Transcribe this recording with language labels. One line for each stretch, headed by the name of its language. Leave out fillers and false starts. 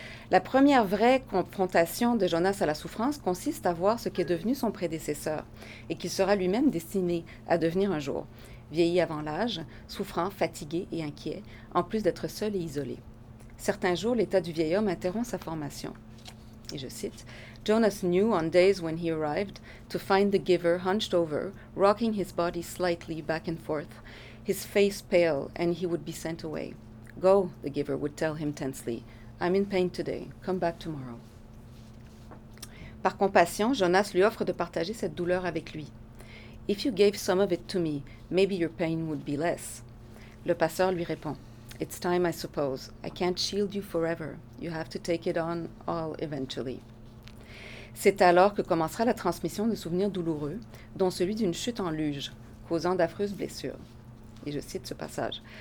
French: La première vraie confrontation de Jonas à la souffrance consiste à voir ce qu'est devenu son prédécesseur et qu'il sera lui-même destiné à devenir un jour, vieilli avant l'âge, souffrant, fatigué et inquiet, en plus d'être seul et isolé. Certains jours, l'état du vieil homme interrompt sa formation. Et je cite,
English: « Jonas knew on days when he arrived to find the giver hunched over, rocking his body slightly back and forth, his face pale, and he would be sent away. Go, the giver would tell him tensely. I'm in pain today. Come back tomorrow.
French: » Par compassion, Jonas lui offre de partager cette douleur avec lui.
English: « If you gave some of it to me, maybe your pain would be less. »
French: Le passeur lui répond,
English: « It's time, I suppose. I can't shield you forever. You have to take it on all eventually.
French: » C'est alors que commencera la transmission de souvenirs douloureux, dont celui d'une chute en luge, causant d'affreuses blessures. Et je cite ce passage.